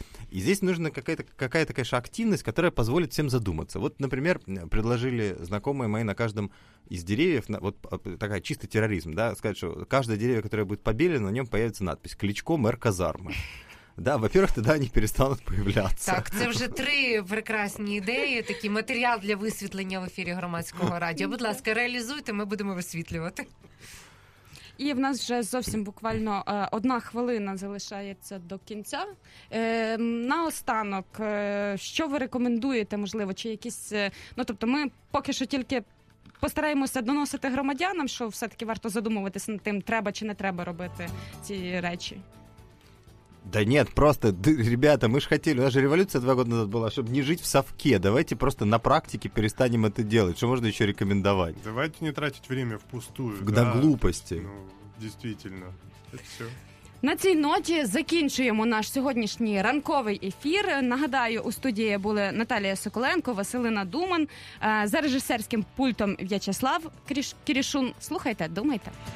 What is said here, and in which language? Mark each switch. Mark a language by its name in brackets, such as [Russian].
[Russian] И здесь нужна какая-то, конечно, активность, которая позволит всем задуматься. Вот, например, предложили знакомые мои на каждом из деревьев, вот такая чистый терроризм, да, сказать, что каждое дерево, которое будет побелено, на нем появится надпись «Кличко мэр казармы». Да, во-первых, тогда они перестанут появляться. [Ukrainian] Так, це вже три прекрасні ідеї, такий матеріал для висвітлення в ефірі громадського радіо. Будь ласка, реалізуйте, ми будемо висвітлювати. І в нас вже зовсім буквально одна хвилина залишається до кінця. Наостанок, що ви рекомендуєте, можливо, чи якісь... Ну, тобто, ми поки що тільки... Постараємося доносити громадянам, що все-таки варто задумуватися над тим, треба чи не треба робити ці речі. [Russian] Да нет, просто, ребята, мы же хотели, у нас же революция 2 года назад была, чтобы не жить в совке, давайте просто на практике перестанем это делать, что можно еще рекомендовать? Давайте не тратить время впустую. На, да, глупости. Ну, действительно, это все. [Ukrainian] На цій ноті закінчуємо наш сьогоднішній ранковий ефір. Нагадаю, у студії були Наталія Соколенко, Василина Думан. За режисерським пультом В'ячеслав Кірішун. Слухайте, думайте.